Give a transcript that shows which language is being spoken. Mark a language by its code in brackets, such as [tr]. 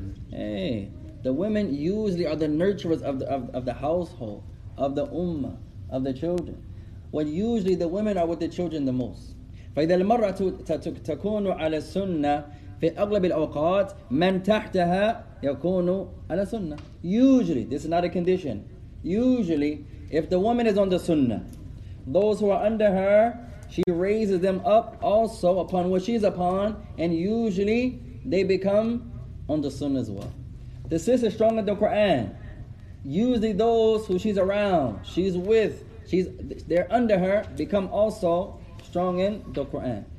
[en] Hey, the women usually are the nurturers of the household, of the ummah, of the children. Well, usually the women are with the children the most. [ar] فإذا المرأة تكون على السنة في أغلب الأوقات من تحتها يكون على السنة. [en] Usually, this is not a condition. Usually, if the woman is on the sunnah, those who are under her, she raises them up also upon what she's upon, and usually they become on the sunnah as well. The sister stronger than the Quran. Usually those who she's around, she's with, they're under her, become also strong in the Quran.